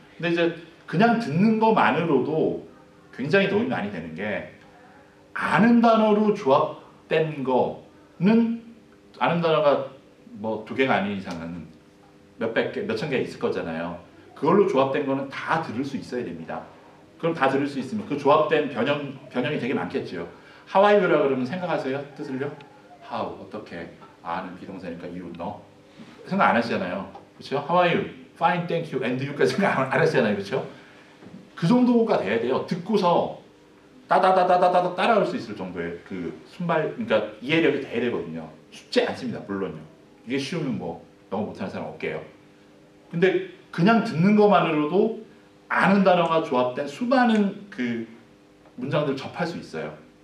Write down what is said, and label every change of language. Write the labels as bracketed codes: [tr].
[ko] 근데 이제 그냥 듣는 것만으로도 굉장히 도움이 많이 되는 게 아는 단어로 조합된 거는 아는 단어가 뭐 두 개가 아닌 이상은 몇백 개, 몇천 개 있을 거잖아요. 그걸로 조합된 거는 다 들을 수 있어야 됩니다. 그럼 다 들을 수 있으면 그 조합된 변형이 되게 많겠죠. 하와이유라 그러면 생각하세요? 뜻을요? How, 어떻게, 아는 비동사니까 you, 너. 생각 안 하시잖아요. 그렇죠? [en] How are you? Fine, thank you, and you [ko] 까지 생각 안 하시잖아요. 그렇죠? 그 정도가 돼야 돼요. 듣고서 따다다다다다다 따라올 수 있을 정도의 그 순발, 그러니까 이해력이 돼야 되거든요. 쉽지 않습니다. 물론요. 이게 쉬우면 뭐 너무 못하는 사람 없게요. 근데 그냥 듣는 것만으로도 아는 단어가 조합된 수많은 그 문장들을 접할 수 있어요.